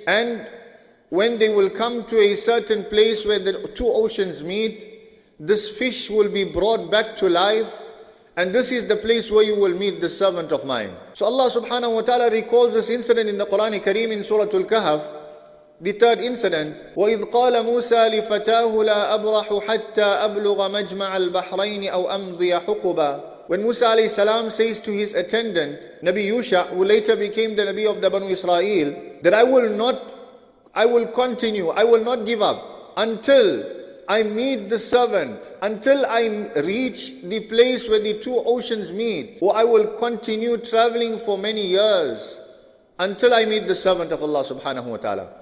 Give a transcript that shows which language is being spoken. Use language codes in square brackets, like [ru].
[en] And when they will come to a certain place where the two oceans meet, this fish will be brought back to life. And this is the place where you will meet the servant of mine. So Allah subhanahu wa ta'ala recalls this incident in the Qur'an Kareem in Surah Al-Kahf, the third incident. [ar] وَإِذْ قَالَ مُوسَى لِفَتَاهُ لَا أَبْرَحُ حَتَّى أَبْلُغَ مَجْمَعَ الْبَحْرَيْنِ أَوْ أَمْضِيَ حُقُبًا. [en] When Musa alayhi salam says to his attendant, Nabi Yusha, who later became the Nabi of the Banu Israel, that I will not give up until I meet the servant, until I reach the place where the two oceans meet, or I will continue traveling for many years until I meet the servant of Allah subhanahu wa ta'ala.